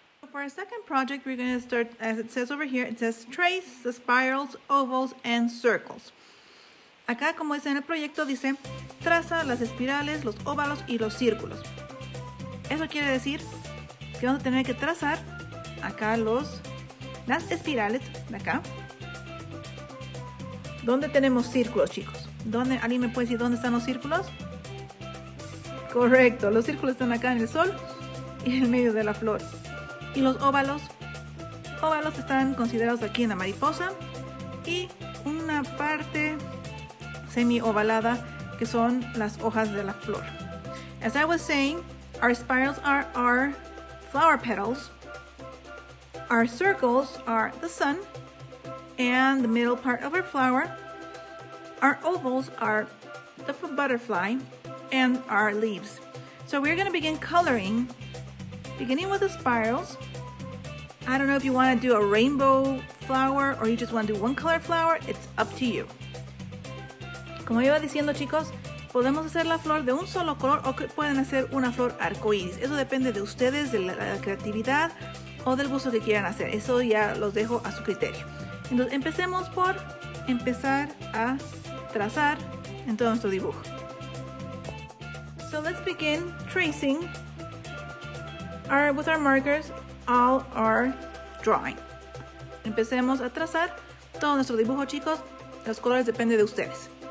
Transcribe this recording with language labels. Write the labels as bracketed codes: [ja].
[en] For our second project, we're going to start, as it says over here, it says trace the spirals, ovals, and circles. [es] Acá, como dice en el proyecto, dice, traza las espirales, los óvalos y los círculos. Eso quiere decir que vamos a tener que trazar acá las espirales de acá. ¿Dónde tenemos círculos, chicos? ¿Dónde, alguien me puede decir dónde están los círculos? Correcto, los círculos están acá en el sol y en medio de la flor. Y los óvalos, óvalos están considerados aquí en la mariposa. Y una parte semi-ovalada que son las hojas de la flor. [en] As I was saying, our spirals are our flower petals. Our circles are the sun and the middle part of our flower. Our ovals are the butterfly and our leaves. So we're going to begin coloring, beginning with the spirals. I don't know if you want to do a rainbow flower or you just want to do one color flower. It's up to you. [es] Como iba diciendo, chicos, podemos hacer la flor de un solo color o pueden hacer una flor arcoíris. Eso depende de ustedes, de la creatividad o del gusto que quieran hacer. Eso ya los dejo a su criterio. Entonces, empecemos por empezar a trazar en todo nuestro dibujo. [en] So let's begin tracing with our markers all our drawing. [es] Empecemos a trazar todo nuestro dibujo, chicos. Los colores depende de ustedes.